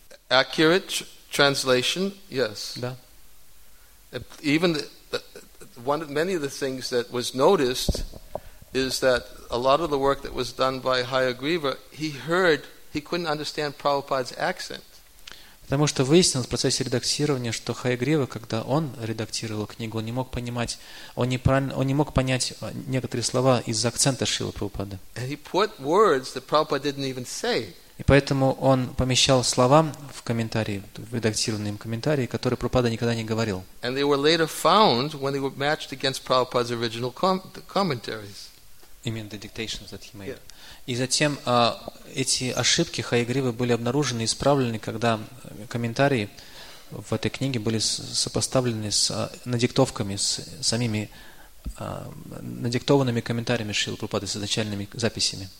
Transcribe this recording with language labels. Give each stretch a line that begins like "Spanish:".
English: Accurate translation, yes.
Russian: Да.
English: Even the one of many of the things that was noticed is that a lot of the work that was done by Hayagriva, he heard, he couldn't understand Prabhupada's accent.
Russian: Потому что выяснилось в процессе редактирования, что Хайагрива, когда он редактировал книгу, он не мог понимать, он не мог понять некоторые слова из-за акцента Шрилы Прабхупады.
English: And he put words that Prabhupada didn't even say.
Russian: И поэтому он помещал слова в комментарии, в редактированные им комментарии, которые Прабхупада никогда не говорил.
English: And they were later found when they were matched against Prabhupada's original commentaries.
Russian: Именно
English: the dictations that he made. Yeah.
Russian: И затем эти ошибки Хайгривы были обнаружены и исправлены, когда комментарии в этой книге были сопоставлены с надиктовками, с самими надиктованными комментариями Шрилы Прабхупады, с изначальными записями.